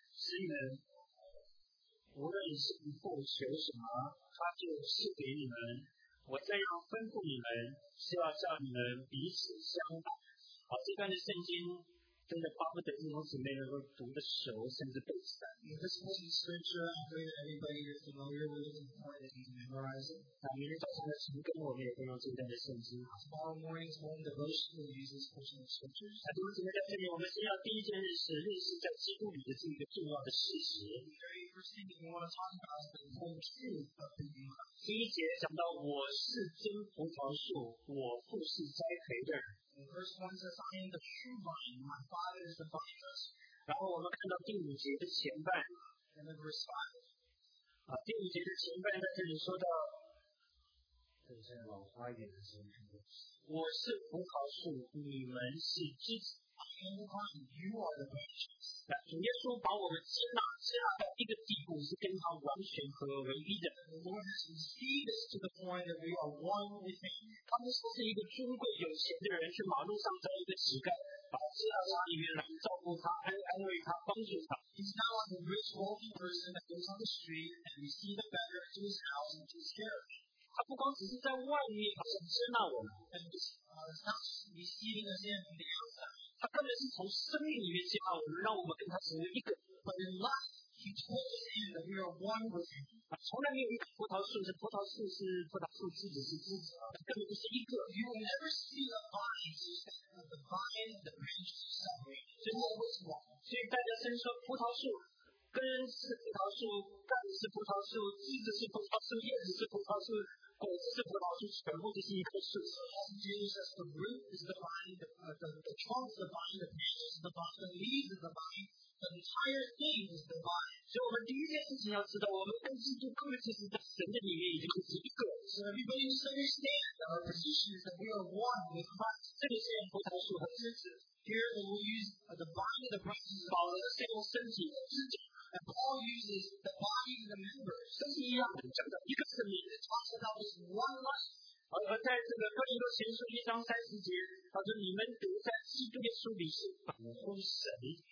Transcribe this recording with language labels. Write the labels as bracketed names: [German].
[Chinese] 使你们无论信父求什么，他就赐给你们。我这样吩咐你们，是要叫你们彼此相爱。好，这段的圣经真的巴不得弟兄姊妹能够读的熟，甚至背诵。 [English] This morning's scripture, I pray that everybody is familiar with it and pray that you memorize it. [Chinese] 明天早上的晨更，我们也会用这段的圣经。 [English] Tomorrow morning's home devotion will use this portion of scriptures. [Chinese] 弟兄姊妹在这里，我们先要第一件事是认识在基督里的这一个重要的事实。 [English] First thing we want to talk about is the whole truth of the new life. [Chinese] 第一节讲到我是真葡萄树，我父是栽培的。 [English] First one says, I am the true vine, my father is the vine dresser. [Chinese] 然后我们看到第五节的前半。 [English] And then verse 5. [Chinese] 啊，第五节的前半在这里说到，这是老花眼的时候。我是葡萄树，你们是枝子。 [English] I am the vine, you are the branches. [Chinese] 那主耶稣把我们接纳到一个地步，是跟他完全合而为一的。 [English] The Lord has received us to the point that we are one with Him. [Chinese] 他不是一个尊贵有钱的人，去马路上找一个乞丐，把接纳他里面来照顾他，安慰他，帮助他。 [English] He's not like a rich, wealthy person that goes on the street and receives the beggar to his house and to his carriage. [Chinese] 他不光只是在外面好像接纳我们，他根本是从生命里面接纳我们，让我们跟他成为一个。 [English] But in life, he told us that we are one with him. [Chinese] 从来没有一个葡萄树是葡萄树是葡萄树自己是自己，根本不是一个。 [English] You will never see the vine separate the vine and the branch separate. It's always one. [Chinese] 所以大家先说葡萄树。根是葡萄树，干是葡萄树，枝子是葡萄树，叶子是葡萄树，果子是葡萄树，全部都是一棵树。 [English] Jesus says the root is the vine, the trunk is the vine, the branch is the vine, the leaves is the vine, the entire thing is the vine. [Chinese] 所以我们第一件事情要知道，我们跟基督根本就是在神的里面已经是一个。 [English] So everybody must understand our position is that we are one with Christ. [Chinese] 这个是葡萄树和枝子。 [English] Here we will use the vine and the branches. [Chinese] 保罗的形容身体。 [English] And Paul uses the body and the members. [Chinese] 身体一样的，讲到一个生命。 [English] It talks about this one life. [Chinese] 而在这个哥林多前书一章三十节，他说：“你们独在基督耶稣里是本乎神。”